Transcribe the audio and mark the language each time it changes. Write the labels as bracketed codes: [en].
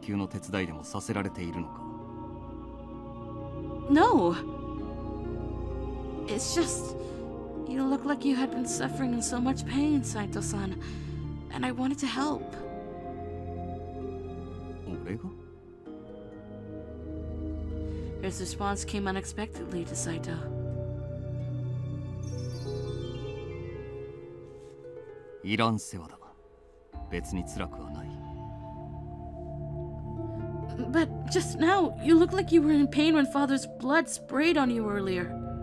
[ja] 何故だ。三男さんの命令で羅刹体の研究の手伝いでもさせられているのか。 [en] No! It's just, you look like you had been suffering in so much pain, Saito-san, and I wanted to help. [ja] 俺が? [en] His response came unexpectedly to Saito. [ja] いらん世話だ。別に辛くはない。 [en] But just now, you looked like you were in pain when father's blood sprayed on you earlier.